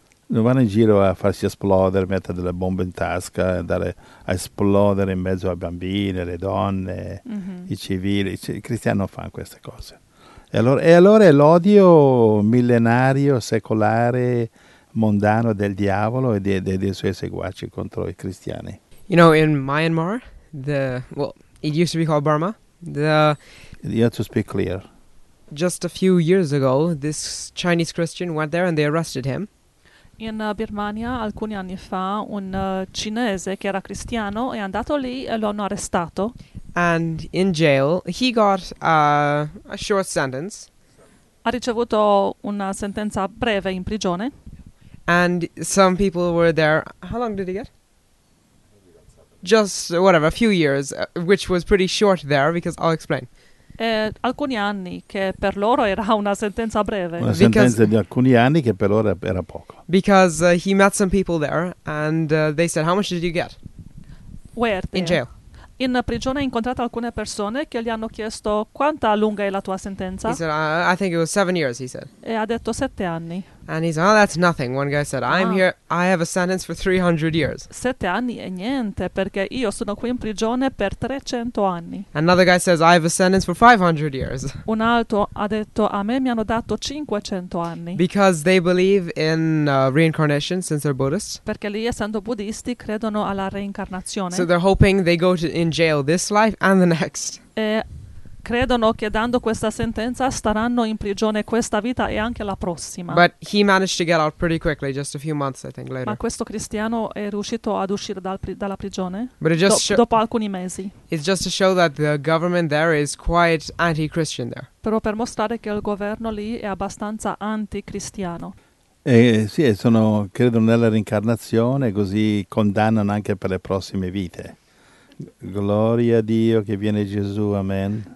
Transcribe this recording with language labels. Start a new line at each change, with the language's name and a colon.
Italian: Non vanno in giro a farsi esplodere, mettere delle bombe in tasca, andare a esplodere in mezzo a bambini, le donne, i civili. I cristiani non fanno queste cose. E allora è l'odio millenario, secolare, mondano del diavolo e dei suoi seguaci contro i cristiani.
English: You know, in Myanmar, it used to be called Burma. You have to speak clear. Just a few years ago, this Chinese Christian went there and they arrested him.
Italian: In Birmania, alcuni anni fa, un cinese che era cristiano è andato lì e lo hanno arrestato.
English: And in jail, he got a short sentence.
Italian: Ha ricevuto una sentenza breve in prigione.
English: And some people were there. How long did he get? Just whatever, a few years, which was pretty short there, because I'll explain.
Italian: Alcuni anni, che per loro era una sentenza breve. Una sentenza di alcuni anni che per loro era poco.
English: Because he met some people there, and they said, how much did you get? Where? In jail.
Italian: In prigione ha incontrato alcune persone che gli hanno chiesto quanta lunga è la tua sentenza.
English: He said, I think it was 7 years, he said.
Italian: E ha detto 7 anni.
English: And he said, oh, that's nothing. One guy said, I'm here, I have a sentence for 300 years.
Italian: 7 anni è niente, perché io sono qui in prigione per 300 anni.
English: Another guy says, I have a sentence for 500 years.
Italian: Un altro ha detto, a me mi hanno dato 500 anni.
English: Because they believe in reincarnation, since they're Buddhists.
Italian: Perché lì, essendo buddisti, credono alla reincarnazione.
English: So they're hoping they go in jail this life and the next.
Italian: E credono che dando questa sentenza staranno in prigione questa vita e anche la prossima.
English: But he managed to get out pretty quickly, just a few months, I think, later.
Italian: Ma questo cristiano è riuscito ad uscire dalla prigione dopo alcuni mesi.
English: It's just to show that the government there is quite anti-Christian there.
Italian: Però per mostrare che il governo lì è abbastanza anti-cristiano. Sì, credono nella reincarnazione, così condannano anche per le prossime vite. Gloria a Dio che viene Gesù, amen.